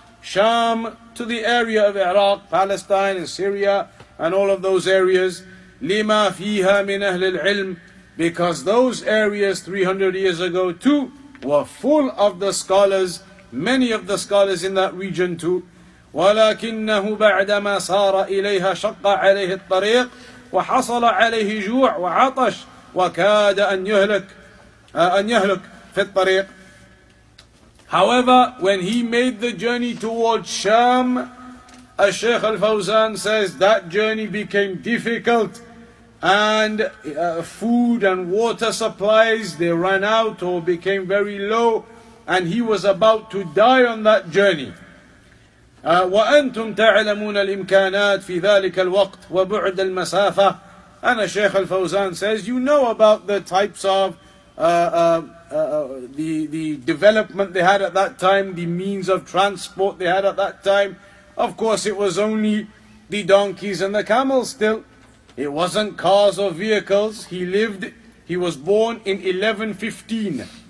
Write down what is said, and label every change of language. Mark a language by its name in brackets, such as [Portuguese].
[English] Sham, to the area of Iraq, Palestine and Syria and all of those areas. [Arabic] لِمَا فِيهَا مِنْ أَهْلِ الْعِلْمِ. [English] Because those areas 300 years ago too were full of the scholars, many of the scholars in that region too. [Arabic] ولكنه بعدما صار إليها شق عليه الطريق وحصل عليه جوع وعطش وكاد أن يهلك في الطريق. [English] However, when he made the journey towards Sham, الشيخ الفوزان says that journey became difficult and food and water supplies, they ran out or became very low, and he was about to die on that journey. [Arabic] وأنتم تعلمون الإمكانات في ذلك الوقت وبعد المسافة. [English] And Sheikh Al-Fawzan says, you know about the types of the development they had at that time, the means of transport they had at that time. Of course, it was only the donkeys and the camels still. It wasn't cars or vehicles. He was born in 1115.